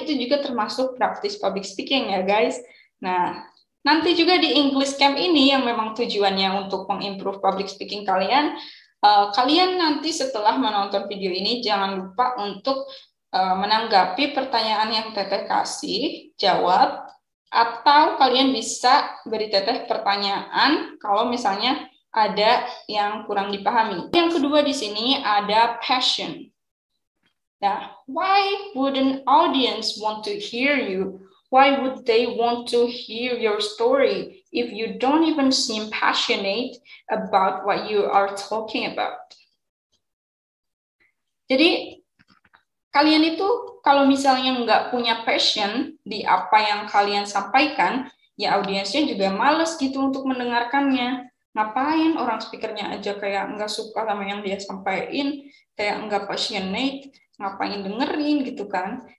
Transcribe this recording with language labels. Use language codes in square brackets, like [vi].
[id] Itu juga termasuk praktis public speaking ya guys. Nah, nanti juga di English Camp ini yang memang tujuannya untuk mengimprove public speaking kalian, kalian nanti setelah menonton video ini jangan lupa untuk menanggapi pertanyaan yang Teteh kasih, jawab, atau kalian bisa beri Teteh pertanyaan kalau misalnya ada yang kurang dipahami. Yang kedua di sini ada passion. [en] Nah, why would an audience want to hear you? Why would they want to hear your story if you don't even seem passionate about what you are talking about? [id] Jadi, kalian itu kalau misalnya nggak punya passion di apa yang kalian sampaikan, ya audiensnya juga males gitu untuk mendengarkannya. Ngapain orang speakernya aja kayak nggak suka sama yang dia sampaikan, kayak nggak passionate, ngapain dengerin gitu kan.